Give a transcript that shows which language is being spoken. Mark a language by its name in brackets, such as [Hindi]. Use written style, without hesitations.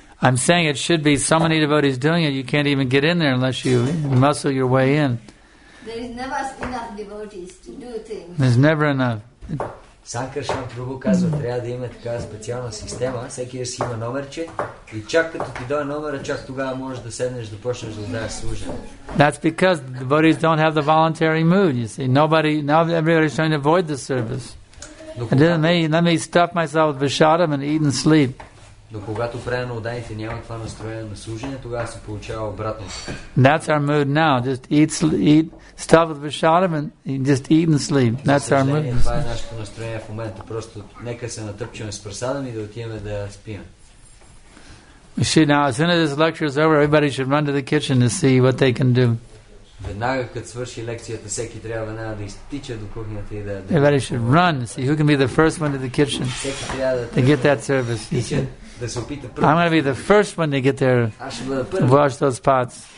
[English] I'm saying it should be so many devotees doing it, you can't even get in there unless you muscle your way in. There is never enough devotees to do things. There's never enough. [Bulgarian] Санкаршан Прабху казва, трябва да има така специална система, всеки да си има номерче и чак като ти дойде номера, чак тогава можеш да седнеш, да почнеш да даваш служене. [English] That's because the devotees don't have the voluntary mood, you see. Nobody, now everybody's trying to avoid the service. And then let me stuff myself with vishadam and eat and sleep. [Bulgarian] Но когато преданно отдадите, няма това настроение на служене, тогава се получава обратно. [English] That's our mood now. Just eat stuff with vishadam and just eat and sleep. That's our mood. [Bulgarian] Това е нашето настроение в момента. Просто нека се натъпчваме с прасадам и да отиваме да спим. [English] You see, now, as soon as this lecture is over, everybody should run to the kitchen to see what they can do. [Bulgarian] Веднага, като свърши лекцията, всеки трябва веднага да изтича до кухнята и да... [English] Everybody should run to see who can be the first one to the kitchen to get that service. [Bulgarian] Да, [English] I'm going to be the first one to get there and wash those pots.